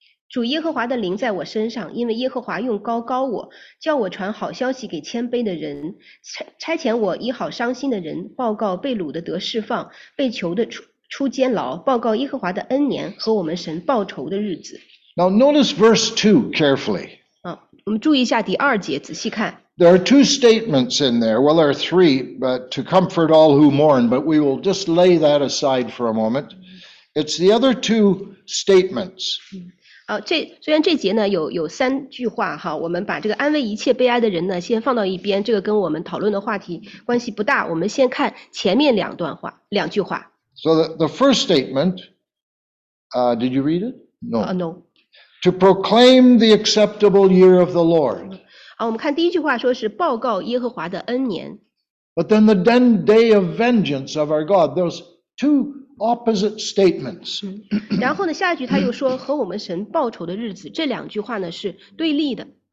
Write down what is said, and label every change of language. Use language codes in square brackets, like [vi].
[zh] 主耶和华的灵在我身上，因为耶和华用膏膏我，叫我传好消息给谦卑的人，差遣我医好伤心的人，报告被掳的得释放，被囚的出监牢，报告耶和华的恩年和我们神报仇的日子。 [en] Now notice verse 2 carefully. [zh] 我们注意一下第二节，仔细看。 [en] There are two statements in there. Well, there are three, but to comfort all who mourn, but we will just lay that aside for a moment. It's the other two statements. [zh] 虽然这节呢有三句话哈，我们把这个安慰一切悲哀的人呢先放到一边，这个跟我们讨论的话题关系不大，我们先看前面两段话，两句话。 [en] So the first statement, did you read it? No. No. To proclaim the acceptable year of the Lord. [zh] 我们看第一句话说是报告耶和华的恩年。 [en] But then the then day of vengeance of our God, those two opposite statements. [zh] 然后呢下一句他又说和我们神报仇的日子，这两句话呢是对立的。